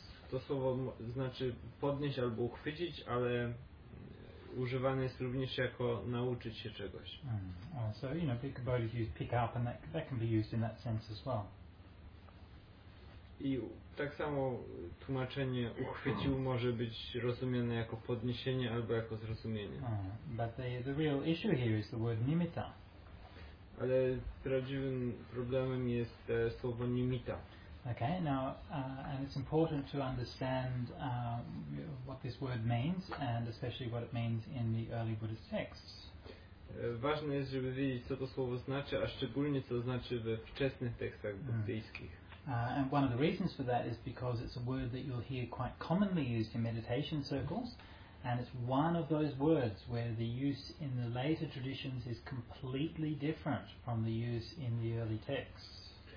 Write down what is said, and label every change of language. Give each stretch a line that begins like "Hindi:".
Polish: To słowo znaczy podnieść albo uchwycić, ale używane jest również jako nauczyć się czegoś.
English: So, you know, pick up is used, pick up, and that can be used in that sense as well.
Polish: I tak samo tłumaczenie uchwycił może być rozumiane jako podniesienie albo jako zrozumienie.
English: But the real issue here is the word nimitta.
Polish: Ale prawdziwym problemem jest słowo nimitta.
English: Okay, now, and it's important to understand what this word means, and especially what it means in the early Buddhist texts.
Polish: Ważne jest, żeby wiedzieć, co to słowo znaczy, a szczególnie co znaczy we wczesnych tekstach buddyjskich.
English: And one of the reasons for that is because it's a word that you'll hear quite commonly used in meditation circles, and it's one of those words where the use in the later traditions is completely different from the use in the early texts.